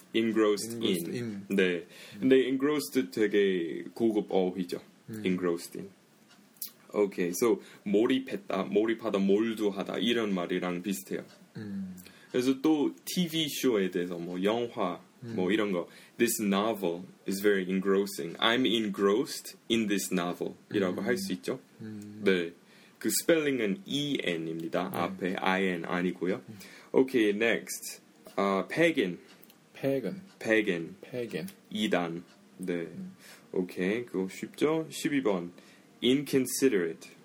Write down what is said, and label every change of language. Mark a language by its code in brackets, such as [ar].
[ko] Engrossed in. 네, 근데 engrossed 되게 고급 어휘죠. Engrossed in. [en] Okay, so [ko] 몰입했다, 몰입하다, 몰두하다 이런 말이랑 비슷해요. 그래서 또 TV 쇼에 대해서 뭐 영화. 뭐 이런 거 [en] This novel is very engrossing. I'm engrossed in this novel [ko] 이라고 할 수 있죠. 네, 그 스펠링은 EN입니다. 앞에 IN 아니고요. [en] Okay, next. Pagan. Pagan. Pagan. Pagan. [ko] 이단. 네. [en] Okay, [ko] 그거 쉽죠? 12번 Inconsiderate.